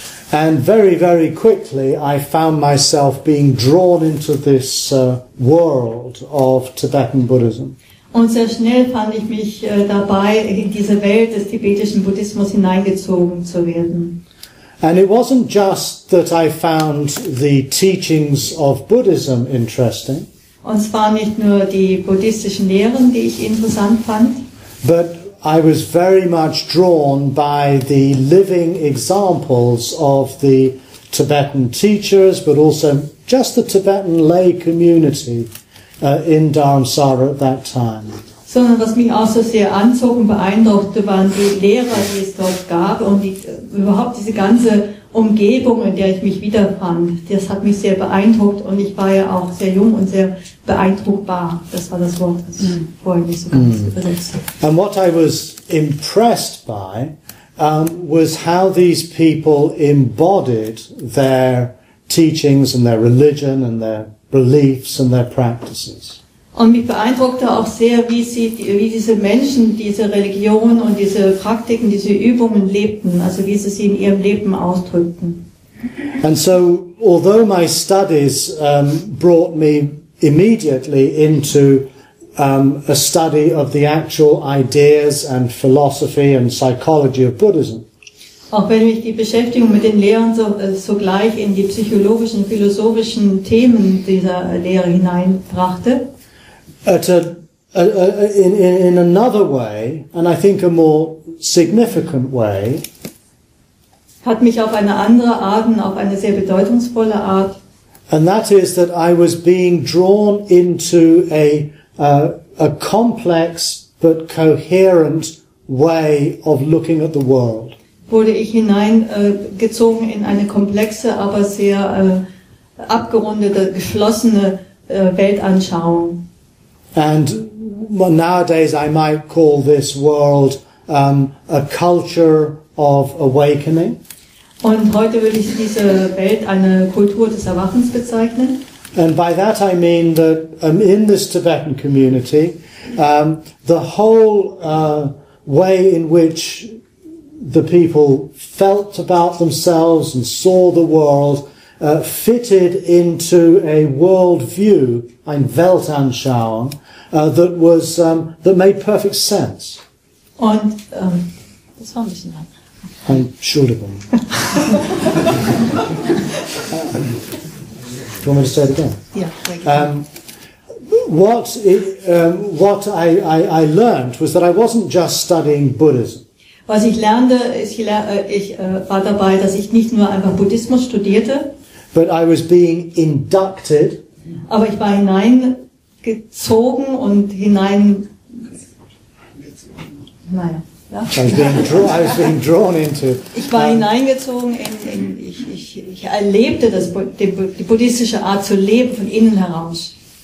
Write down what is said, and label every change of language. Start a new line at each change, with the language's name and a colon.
English: And very, very quickly I found myself being drawn into this world of Tibetan Buddhism.
German: Und sehr schnell fand ich mich dabei, in diese Welt des tibetischen Buddhismus hineingezogen zu werden.
English: And it wasn't just that I found the teachings of Buddhism interesting.
German: Und es waren nicht nur die buddhistischen Lehren, die ich interessant fand.
English: But I was very much drawn by the living examples of the Tibetan teachers, but also just the Tibetan lay community in Dharamsala at that time.
German: Sondern was mich auch so sehr anzog und beeindruckte, waren die Lehrer, die es dort gab, und überhaupt diese ganze Umgebung, in der ich mich wiederfand, das hat mich sehr beeindruckt und ich war ja auch sehr jung und sehr beeindruckbar. Das war das Wort, das ich vorhin nicht so ganz übersetzt habe.
English: And what I was impressed by was how these people embodied their teachings and their religion and their beliefs and their practices.
German: Und mich beeindruckte auch sehr, wie diese Menschen diese Religion und diese Praktiken, diese Übungen lebten, also wie sie sie in ihrem Leben ausdrückten.
English: And so, although my studies brought me immediately into a study of the actual ideas and philosophy and psychology of Buddhism.
German: Auch wenn mich die Beschäftigung mit den Lehren sogleich in die psychologischen, philosophischen Themen dieser Lehre hineinbrachte.
English: In another way, and I think a more significant way,
German: hat mich auf eine andere Art und auf eine sehr bedeutungsvolle Art.
English: And that is that I was being drawn into a complex but coherent way of looking at the world.
German: Wurde ich hineingezogen in eine komplexe, aber sehr abgerundete, geschlossene Weltanschauung.
English: And nowadays I might call this world a culture of awakening.
German: Und heute würde ich diese Welt eine Kultur des Erwachens bezeichnen.
English: And by that I mean that in this Tibetan community, the whole way in which the people felt about themselves and saw the world fitted into a worldview,
German: ein Weltanschauung,
English: that was that made perfect sense.
German: Und das war ein bisschen lang. Entschuldigung.
English: Do you want me to say it again? Yeah, thank you. What I learned was that I wasn't just studying Buddhism.
German: Was ich lernte, ist, ich war dabei, dass ich nicht nur einfach Buddhismus studierte.
English: But I was being inducted.
German: Aber ich war hineingezogen und hinein.
English: Ja. I was being drawn into.
German: Ich war hineingezogen in ich erlebte das die buddhistische Art zu leben von innen heraus.